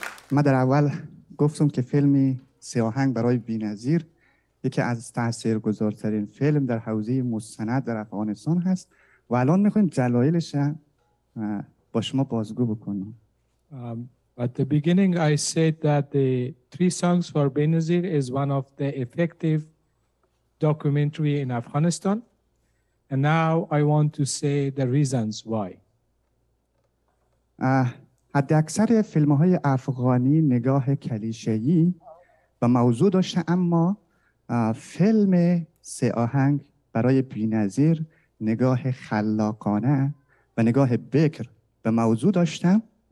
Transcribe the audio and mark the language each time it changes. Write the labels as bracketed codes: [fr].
[fa] من در اول گفتم که فیلم سه آهنگ برای بی‌نظیر یکی از تاثیرگذارترین فیلم در حوزه مستند در افغانستان هست و الان می‌خویم دلایلش را با شما بازگو بکنم. [en] At the beginning, I said that the Three Songs for Benazir is one of the effective documentary in Afghanistan. And now I want to say the reasons why. [fa] حد اکثر فیلم های افغانی نگاه کلیشه‌ای به موضوع داشته، اما فیلم سه آهنگ برای بی‌نظیر نگاه خلاقانه و نگاه بکر به موضوع داشتم.